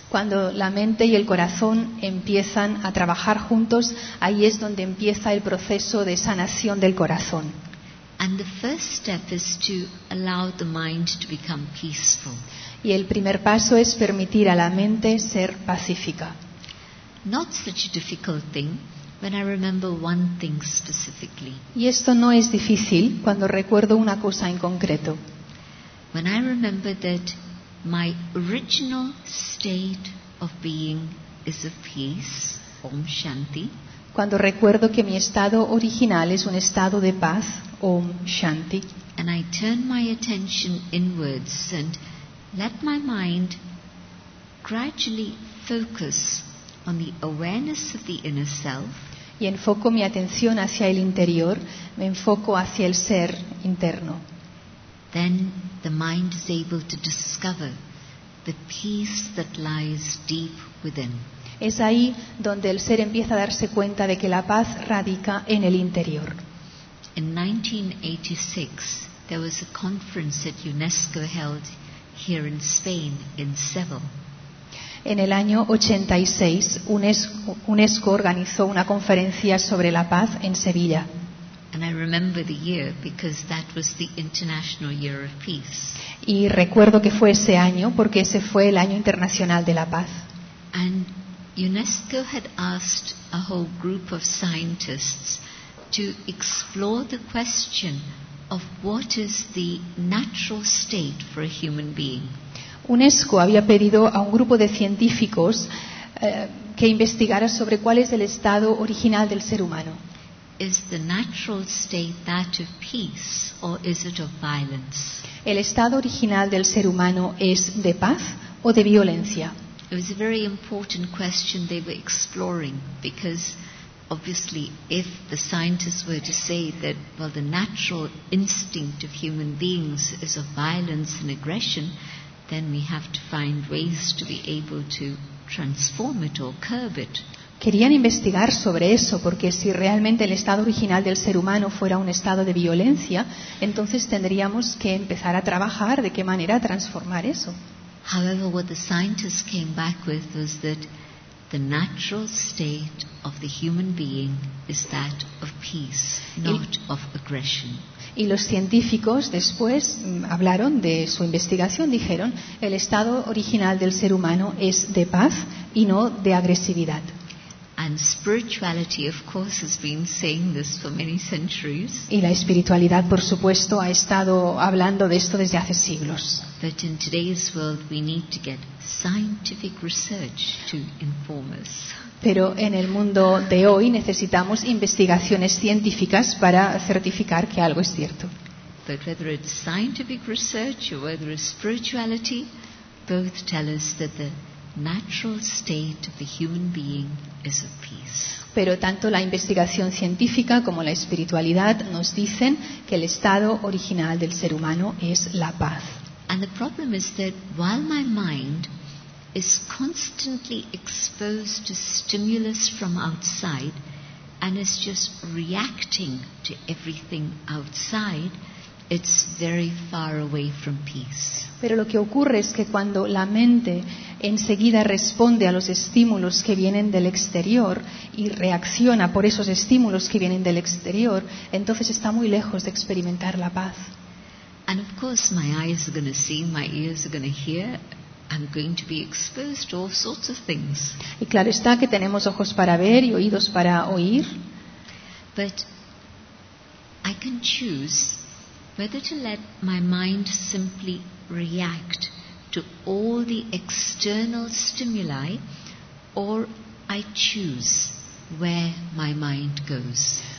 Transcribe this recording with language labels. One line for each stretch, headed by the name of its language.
Spanish: Cuando la mente y el corazón empiezan a trabajar juntos, ahí es donde empieza el proceso de sanación del corazón.
English: And the first step is to allow the mind to become peaceful.
Spanish: Y el primer paso es permitir a la mente ser pacífica.
English: Not such a difficult thing when I remember one thing specifically.
Spanish: Y esto no es difícil cuando recuerdo una cosa en concreto.
English: When I remember that my original state of being is a peace, Om Shanti.
Spanish: Cuando recuerdo que mi estado original es un estado de paz, Om Shanti.
English: And I turn my attention inwards and let my mind gradually focus on the awareness of the inner self.
Spanish: Y enfoco mi atención hacia el interior, me enfoco hacia el ser interno.
English: Then the mind is able to discover the peace that lies deep within.
Spanish: Es ahí donde el ser empieza a darse cuenta de que la paz radica en el interior.
English: In 1986, there was a conference that UNESCO held here in Spain, in Seville.
Spanish: En el año 86, UNESCO organizó una conferencia sobre la paz en Sevilla.
English: And I remember the year because that was the International Year of Peace.
Spanish: Y recuerdo que fue ese año porque ese fue el año internacional de la paz.
English: And UNESCO had asked a whole group of scientists to explore the question of what is the natural state for a human being.
Spanish: UNESCO había pedido a un grupo de científicos que investigara sobre cuál es el estado original del ser humano.
English: Is the natural state that of peace or is it of violence?
Spanish: ¿El estado original del ser humano es de paz o de violencia?
English: It was a very important question they were exploring because obviously if the scientists were to say that well the natural instinct of human beings is of violence and aggression, then we have to find ways to be able to transform it or curb it.
Spanish: Querían investigar sobre eso, porque si realmente el estado original del ser humano fuera un estado de violencia, entonces tendríamos que empezar a trabajar de qué manera transformar eso.
English: However, what the scientists came back with was that the natural state of the human being is that of peace, not of aggression.
Spanish: Y los científicos después hablaron de su investigación, dijeron, el estado original del ser humano es de paz y no de agresividad.
English: And spirituality, of course, has been saying this for many centuries.
Spanish: Y la espiritualidad, por supuesto, ha estado hablando de esto desde hace siglos.
English: But in today's world, we need to get scientific research to inform us.
Spanish: Pero en el mundo de hoy necesitamos investigaciones científicas para certificar que algo es cierto.
English: But whether it's scientific research or whether it's spirituality, both tell us that the natural state of the human being is of peace.
Spanish: Pero tanto la investigación científica como la espiritualidad nos dicen que el estado original del ser humano es la paz.
English: And the problem is that while my mind is constantly exposed to stimulus from outside and is just reacting to everything outside, it's very far away from peace.
Spanish: Pero lo que ocurre es que cuando la mente enseguida responde a los estímulos que vienen del exterior y reacciona por esos estímulos que vienen del exterior, entonces está muy lejos de experimentar la paz.
English: And of course my eyes are going to see, my ears are going to hear, I'm going to be exposed to all sorts of things.
Spanish: Y claro está que tenemos ojos para ver y oídos para oír.
English: But I can choose whether to let my mind simply react to all the external stimuli, or I choose where my mind goes.